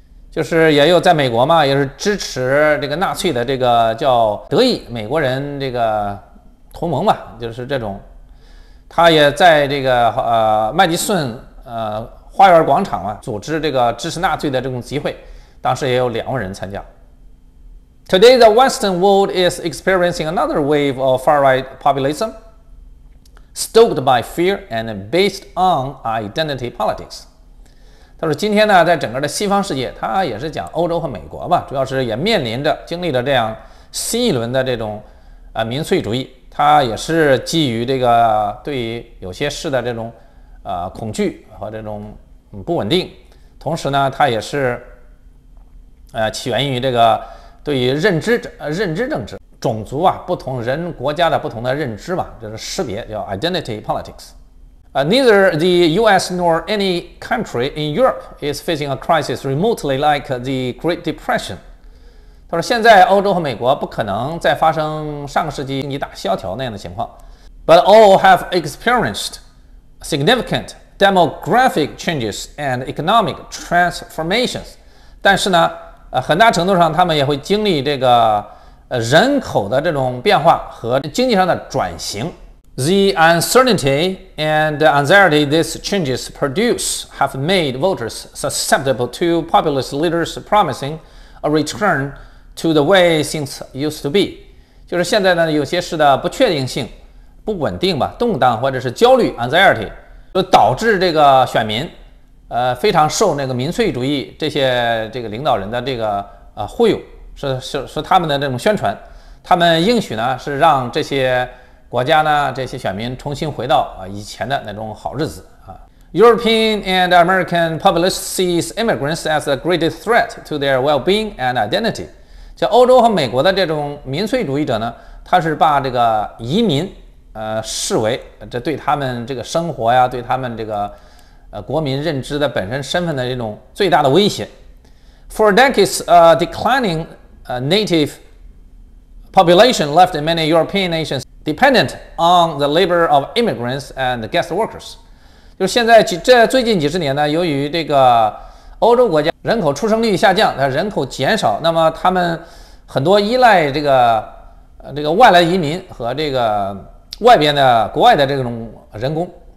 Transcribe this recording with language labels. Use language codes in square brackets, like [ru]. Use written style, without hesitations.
[zh] 就是也有在美国嘛，也是支持这个纳粹的这个叫德裔美国人这个同盟吧，就是这种，他也在这个麦迪逊花园广场啊组织这个支持纳粹的这种集会，当时也有20,000人参加。 [en] Today the Western world is experiencing another wave of far-right populism, stoked by fear and based on identity politics. [zh] 他说今天呢，在整个的西方世界，他也是讲欧洲和美国吧，主要是也面临着经历了这样新一轮的这种民粹主义，他也是基于这个对于有些事的这种恐惧和这种不稳定，同时呢他也是起源于这个对于认知政治种族啊不同人国家的不同的认知吧，就是识别叫 identity politics。 [en] Neither the U.S. nor any country in Europe is facing a crisis remotely like the Great Depression. [zh] 他说现在欧洲和美国不可能再发生上个世纪经济大萧条那样的情况。 [en] But all have experienced significant demographic changes and economic transformations. [zh] 但是呢，很大程度上他们也会经历这个人口的这种变化和经济上的转型。 [en] The uncertainty and the anxiety these changes produce have made voters susceptible to populist leaders promising a return to the way things used to be. [zh] 就是现在呢，有些事的不确定性、不稳定吧、动荡或者是焦虑 （anxiety） 就导致这个选民，非常受那个民粹主义这些这个领导人的这个忽悠，是他们的这种宣传，他们应许呢是让这些。国家呢，这些选民重新回到以前的那种好日子啊。 [en] European and American populists see immigrants as the greatest threat to their well-being and identity. [zh] 像欧洲和美国的这种民粹主义者呢，他是把这个移民视为这对他们这个生活呀，对他们这个国民认知的本身身份的这种最大的威胁。 [en] For decades, declining native population left in many European nations. Dependent on the labor of immigrants and guest workers. [zh] 就是现在这最近几十年呢，由于这个欧洲国家人口出生率下降，人口减少，那么他们很多依赖这个外来移民和这个外边的国外的这种人工。